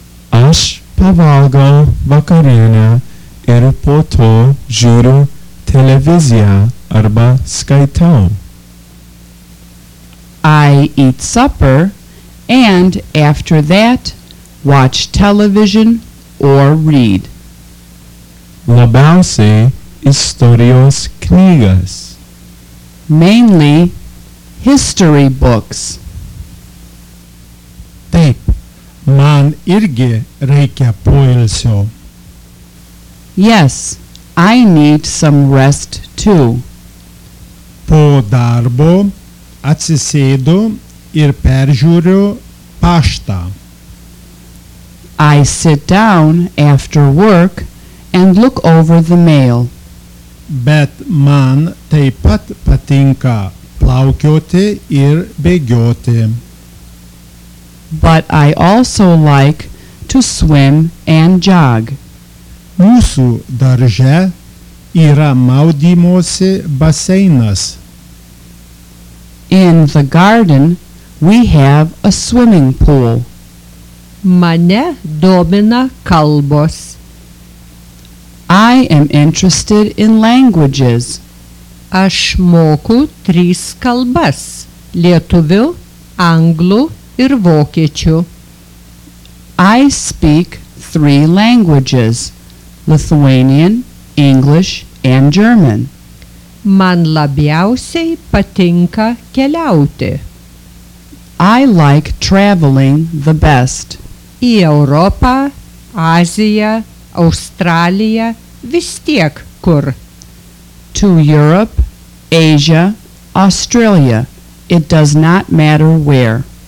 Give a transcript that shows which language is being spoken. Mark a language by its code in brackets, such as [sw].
[lt] Aš pavalgau vakarienę ir po to žiūriu televiziją arba skaitau. [en] I eat supper and after that watch television or read. [lt] Labiausiai istorijos knygas. [en] Mainly history books. [lt] Taip, man irgi reikia poilsio. [en] Yes, I need some rest too. [lt] Po darbo atsisėdu ir peržiūriu paštą. [en] I sit down after work and look over the mail. [lt] Bet man taip pat patinka plaukioti ir bėgioti. [en] But I also like to swim and jog. [lt] Mūsų darže yra maudymosi baseinas. [en] In the garden we have a swimming pool. [lt] Mane domina kalbos. [en] I am interested in languages. [lt] Aš moku tris kalbas: lietuvių, anglų ir vokiečių. [en] I speak three languages: Lithuanian, English and German. [lt] Man labiausiai patinka keliauti. [en] I like traveling the best. [lt] Į Europą, Aziją, Australiją, vis tiek kur. [en] To Europe, Asia, Australia, it does not matter where.